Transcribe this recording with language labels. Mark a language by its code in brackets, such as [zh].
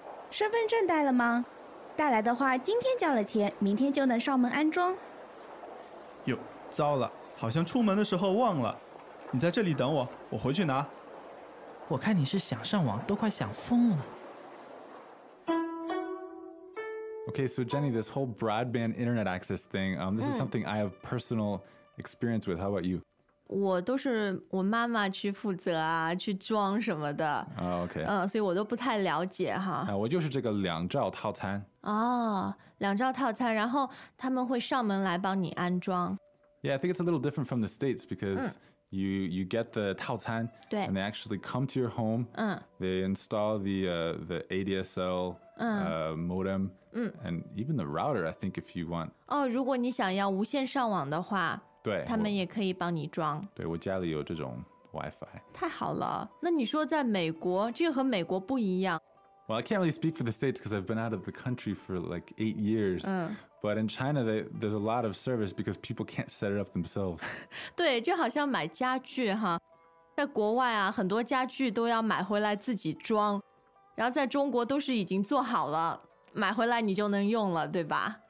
[zh] 身份证带了吗？带来的话，今天交了钱，明天就能上门安装。哟，糟了，好像出门的时候忘了。你在这里等我，我回去拿。我看你是想上网，都快想疯了。 [en] Okay, so Jenny, this whole broadband internet access thing, this is something I have personal experience with. How about you? [zh] 我都是我妈妈去负责啊，去装什么的。 [en] OK。 [zh] 所以我都不太了解哈。我就是这个两兆套餐。哦，两兆套餐，然后他们会上门来帮你安装。 [en] Yeah, I think it's a little different from the States because you get the 套餐， [zh] 对， [en] and they actually come to your home. They install the ADSL modem, and even the router, I think if you want. [zh] 哦，如果你想要无线上网的话，对，他们也可以帮你装。对，我家里有这种 Wi-Fi。太好了，那你说在美国，这个和美国不一样。 [en] Well, I can't really speak for the States because I've been out of the country for like 8 years. But in China, there's a lot of service because people can't set it up themselves. [zh] 对，就好像买家具哈，在国外啊，很多家具都要买回来自己装，然后在中国都是已经做好了，买回来你就能用了，对吧？